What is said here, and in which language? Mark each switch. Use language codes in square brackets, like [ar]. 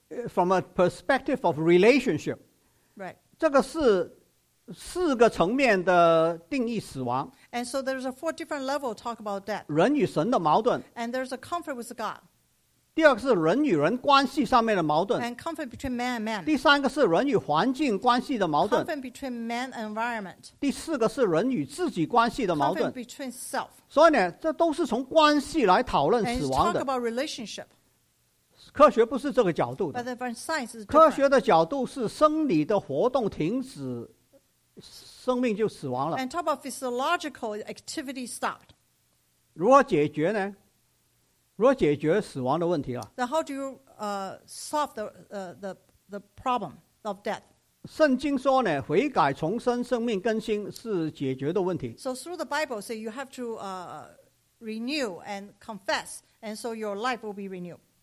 [en] From a perspective of relationship. Right. [zh] 这个是四个层面的定义死亡。 [en] And so there's a four different level talk about death. [zh] 人与神的矛盾。 [en] And there's a conflict with God. [zh] 第二个是人与人关系上面的矛盾 [en] and conflict between man and man. [zh] 第三个是人与环境关系的矛盾 [en] conflict between man and environment. [zh] 第四个是人与自己关系的矛盾 [en] conflict between self. [zh] 所以呢这都是从关系来讨论死亡的 [en] and talk about relationship. [zh] 科学不是这个角度的 [en] but the science is different. [zh] 科学的角度是生理的活动停止生命就死亡了 [en] and talk about physiological activity stopped. [zh] 如何解决呢如何解决死亡的问题了 [en] Then how do you solve the problem of death? [zh] 圣经说呢，悔改重生，生命更新是解决的问题。 [en] So through the Bible, say you have to renew and confess, and so your life will be renewed.